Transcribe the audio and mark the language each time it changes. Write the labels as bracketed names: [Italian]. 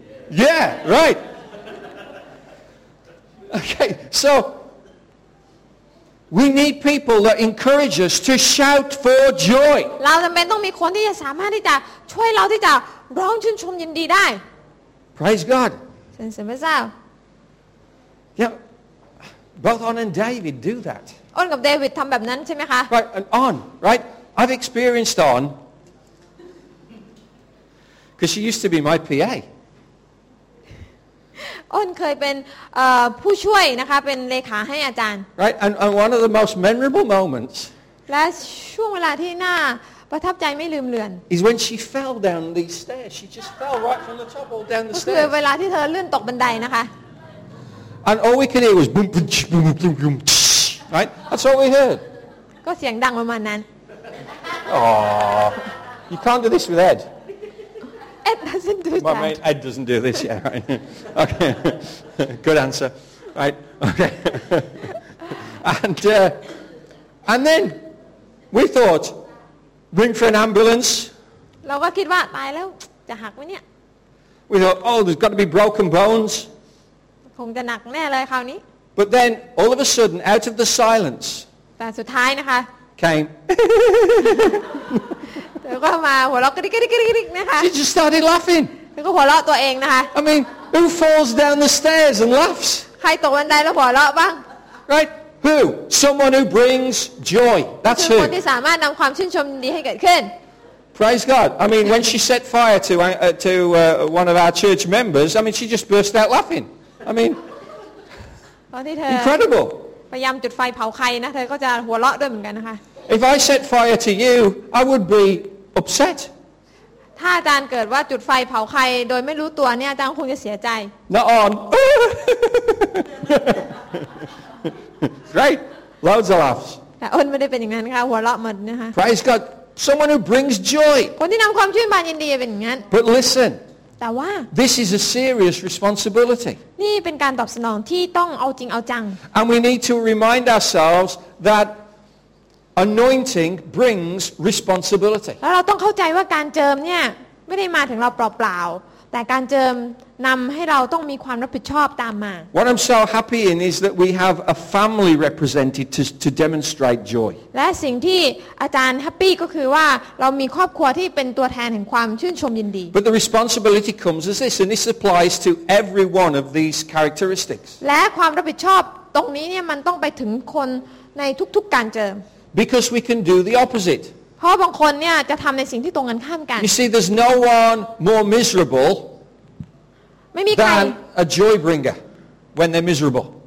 [English] Yeah, right. Okay, so... We need people that encourage us to shout for joy. [Thai] เราจำเป็นต้องมีคนที่จะสามารถที่จะช่วยเราที่จะร้องชื่นชมยินดีได้ [English] Praise God. [Thai] สรรเสริญพระเจ้า [English] Yeah, both On and David do that. [Thai] On กับ David ทำแบบนั้นใช่ไหมคะ [English] Right, and On, right? I've experienced On because she used to be my PA. [Thai] On เคยเป็นผู้ช่วยนะคะเป็นเลขาให้อาจารย์ [English] Right and one of the most memorable moments [Thai] และช่วงเวลาที่น่าประทับใจไม่ลืมเลือน [English] is when she fell down the stairs she just fell right from the top all down the stairs [Thai] คือเวลาที่เธอลื่นตกบันไดนะคะ [English] and all we could hear was boom boom boom boom boom boom right that's all we heard [Thai] ก็เสียงดังประมาณนั้น [English] Aww you can't do this with Ed Ed doesn't do that. My mate Ed doesn't do this, yeah. Okay. Good answer. Right. Okay. And then we thought, ring for an ambulance. [Thai] เราก็คิดว่าตายแล้วจะหักไหมเนี่ย [English] We thought, oh, there's got to be broken bones. [Thai] คงจะหนักแน่เลยคราวนี้ [English] But then, all of a sudden, out of the silence, [Thai] แต่สุดท้ายนะคะ [English] came. [Thai] แล้วก็มาหัวเราะกริ๊กกริ๊กกริ๊กนะคะ [English] She just started laughing [Thai] แล้วก็หัวเราะตัวเองนะคะ [English] I mean who falls down the stairs and laughs [Thai] ใครตกบันไดแล้วหัวเราะบ้าง [English] Right who someone who brings joy that's who [Thai] คือคนที่สามารถนำความชื่นชมดีให้เกิดขึ้น [English] Praise God I mean when she set fire to one of our church members I mean she just burst out laughing I mean [Thai] ตอนที่เธอ [English] Incredible [Thai] พยายามจุดไฟเผาใครนะเธอก็จะหัวเราะด้วยเหมือนกันนะคะ [English] If I set fire to you, I would be upset. [Thai] ถ้าอาจารย์เกิดว่าจุดไฟเผาใครโดยไม่รู้ตัวเนี่ยอาจารย์คงจะเสียใจ [English] Not on. Right? Loads of laughs. [Thai] แต่อ้นไม่ได้เป็นอย่างนั้นค่ะหัวเราะหมดนะคะ [English] Praise God. Someone who brings joy. [Thai] คนที่นำความชื่นบานยินดีเป็นอย่างนั้น [English] But listen. [Thai] แต่ว่า [English] This is a serious responsibility. [Thai] นี่เป็นการตอบสนองที่ต้องเอาจริงเอาจัง [English] And we need to remind ourselves that anointing brings responsibility. [Thai] แล้วเราต้องเข้าใจว่าการเจิมเนี่ยไม่ได้มาถึงเราเปล่าๆแต่การเจิมนำให้เราต้องมีความรับผิดชอบตามมา [English] What I'm so happy in is that we have a family represented to demonstrate joy. [Thai] และสิ่งที่อาจารย์แฮปปี้ก็คือว่าเรามีครอบครัวที่เป็นตัวแทนแห่งความชื่นชมยินดี [English] But the responsibility comes as this, and this applies to every one of these characteristics. [Thai] และความรับผิดชอบตรงนี้เนี่ยมันต้องไปถึงคนในทุกๆการเจิม [English] Because we can do the opposite. [Thai] เพราะบางคนเนี่ยจะทำในสิ่งที่ตรงกันข้ามกัน [English] You see there's no one more miserable [Thai] ไม่มีใคร [English] than a joy bringer when they're miserable